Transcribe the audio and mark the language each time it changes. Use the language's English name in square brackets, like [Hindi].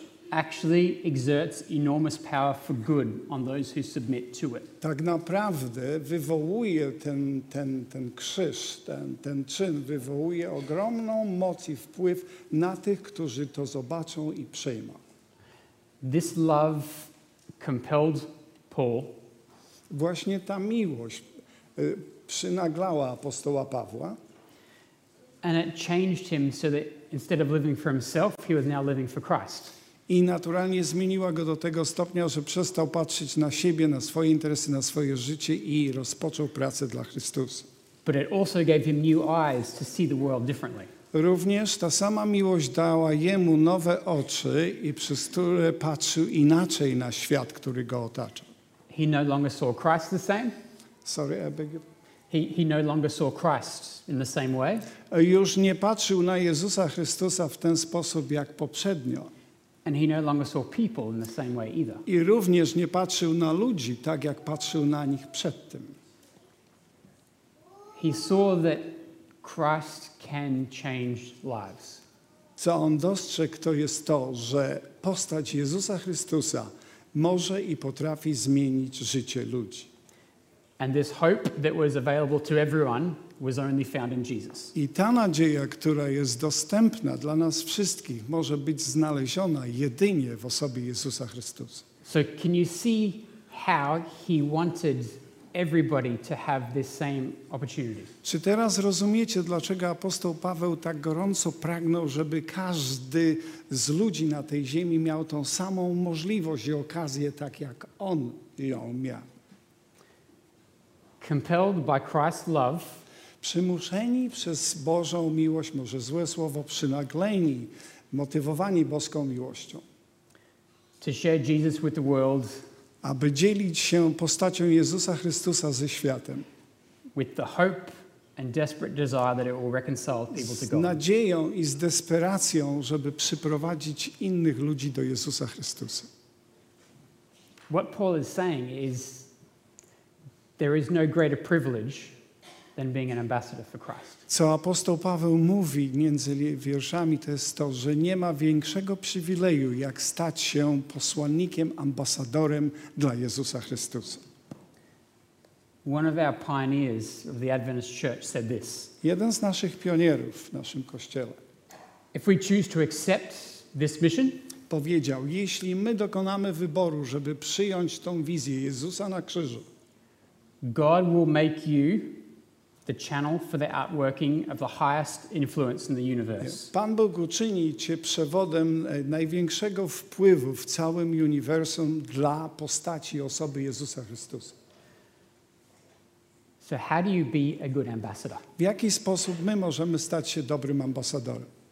[English] Actually exerts enormous power for good on those who submit to it. [Polish] Tak naprawdę wywołuje ten krzyż, ten czyn wywołuje ogromną moc i wpływ na tych, którzy to zobaczą i przyjmą. [English] This love compelled Paul. [Polish] Właśnie ta miłość przynaglała apostoła Pawła. [English] And it changed him so that instead of living for himself, he was now living for Christ. [Polish] I naturalnie zmieniła go do tego stopnia, że przestał patrzeć na siebie, na swoje interesy, na swoje życie i rozpoczął pracę dla Chrystusa. [English] But it also gave him new eyes to see the world differently. [Polish] Również ta sama miłość dała jemu nowe oczy, i przez które patrzył inaczej na świat, który go otacza. [English] He no longer saw Christ the same. Sorry, I beg you. He no longer saw Christ in the same way. [Polish] Już nie patrzył na Jezusa Chrystusa w ten sposób jak poprzednio. [English] And he no longer saw people in the same way either. [Polish] I również nie patrzył na ludzi tak, jak patrzył na nich przedtem. [English] He saw that Christ can change lives. [Polish] Co on dostrzegł, to jest to, że postać Jezusa Chrystusa może i potrafi zmienić życie ludzi. [English] And this hope that was available to everyone was only found in Jesus. [Polish] I ta nadzieja, która jest dostępna dla nas wszystkich, może być znaleziona jedynie w osobie Jezusa Chrystusa. [English] So can you see how he wanted everybody to have this same opportunity? [Polish] Czy teraz rozumiecie, dlaczego apostoł Paweł tak gorąco pragnął, żeby każdy z ludzi na tej ziemi miał tą samą możliwość i okazję, tak jak on ją miał? [English] Compelled by Christ's love, [Polish] przymuszeni przez Bożą miłość, może złe słowo, przynagleni, motywowani boską miłością, [English] to share Jesus with the world, [Polish] aby dzielić się postacią Jezusa Chrystusa ze światem, [English] with the hope and desperate desire that it will reconcile people to God, [Polish] z nadzieją i z desperacją, żeby przyprowadzić innych ludzi do Jezusa Chrystusa. [English] What Paul is saying is there is no greater privilege than being an ambassador for Christ. [Polish] Co apostoł Paweł mówi między wierszami, to jest to, że nie ma większego przywileju, jak stać się posłannikiem, ambasadorem dla Jezusa Chrystusa. [English] One of our pioneers of the Adventist Church said this. [Polish] Jeden z naszych pionierów w naszym kościele. [English] If we choose to accept this mission, [Polish] powiedział, jeśli my dokonamy wyboru, żeby przyjąć tą wizję Jezusa na krzyżu, [English] God will make you the channel for the outworking of the highest influence in the universe. [Polish] Pan Bóg uczyni cię przewodem największego wpływu w całym uniwersum dla postaci osoby Jezusa Chrystusa. [English] So how do you be a good ambassador? [Polish] W jaki sposób my możemy stać się dobrym ambasadorem?